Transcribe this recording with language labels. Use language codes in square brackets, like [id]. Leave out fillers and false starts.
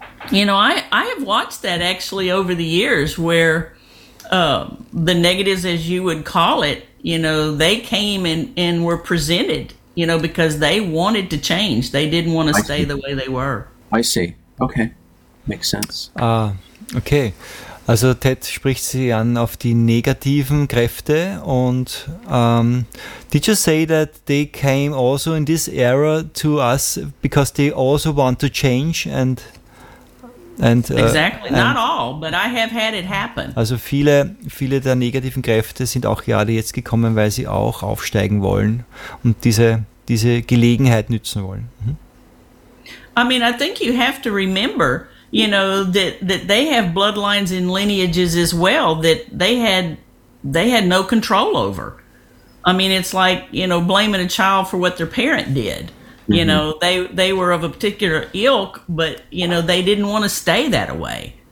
[en] I have watched that actually over the years where the negatives, as you would call it, they came and were presented, because they wanted to change. They didn't want to stay the way they were. I see. Okay. Makes sense. Okay. [de] Also Ted spricht sie an auf die negativen Kräfte. Und [en] did you say that they came also in this era to us because they also want to change and... Exactly. Not all, but I have had it happen. [de] Also viele, viele der negativen Kräfte sind auch gerade jetzt gekommen, weil sie auch aufsteigen wollen und diese Gelegenheit nutzen wollen. [en] Mhm. I mean, I think you have to remember, that they have bloodlines and lineages as well that they had no control over. I mean, it's like, blaming a child for what their parent did. They were of a particular ilk, but they didn't want to stay that away.